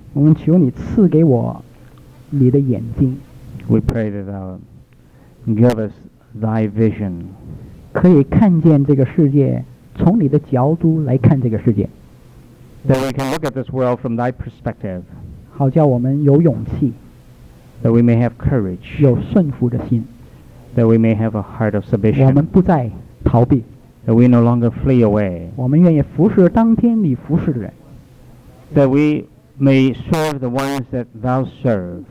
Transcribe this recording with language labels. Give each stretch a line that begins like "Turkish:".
Chinese: 我们求你赐给我你的眼睛。
English: we pray that thou give us thy vision.
Chinese: 可以看见这个世界，从你的角度来看这个世界。
English: That we can look at this world from thy perspective.
Chinese: 好叫我们有勇气。
English: That we may have courage.
Chinese: 有顺服的心。
English: That we may have a heart of submission.
Chinese: 我们不再逃避。
English: That we no longer flee away.
Chinese: 我们愿意服侍当天你服侍的人。
English: That we may serve the ones that thou serve.